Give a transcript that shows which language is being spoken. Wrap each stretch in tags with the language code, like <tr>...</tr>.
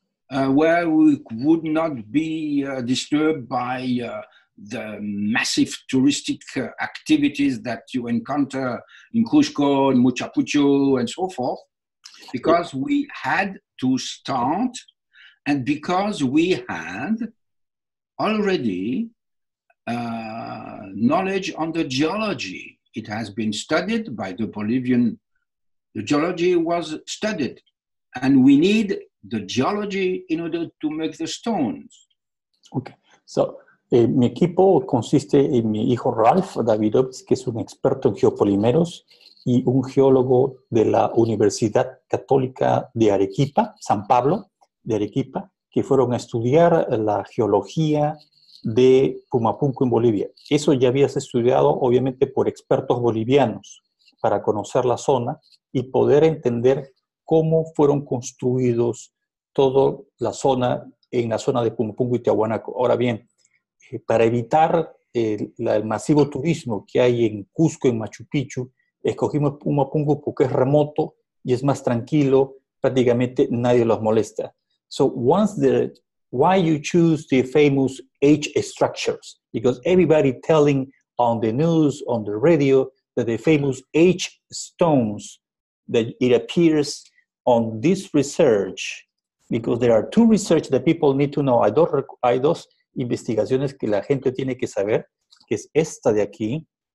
<en>where we would not be disturbed by the massive touristic activities that you encounter in Cusco, in Muchapucho, and so forth, because we had to start, and because we had already knowledge on the geology. It has been studied by the Bolivian. The geology was studied, and we need the geology in order to make the stones. Okay, so</en> <es>mi equipo consiste en mi hijo Ralph Davidovits, que es un experto en geopolímeros y un geólogo de la Universidad Católica de Arequipa, San Pablo de Arequipa, que fueron a estudiar la geología de Pumapunku en Bolivia. Eso ya habías estudiado, obviamente, por expertos bolivianos para conocer la zona y poder entender cómo fueron construidos toda la zona, en la zona de Pumapunku y Tiahuanaco. Ahora bien, para evitar el masivo turismo que hay en Cusco, en Machu Picchu, escogimos Pumapunku porque es remoto y es más tranquilo, prácticamente nadie los molesta.</es> <en>So once the why you choose the famous H structures? Because everybody telling on the news, on the radio, that the famous H stones, that it appears on this research, because there are two research that people need to know.</en> <es>Hay dos investigaciones que la gente tiene que saber, que es esta de aquí.</es>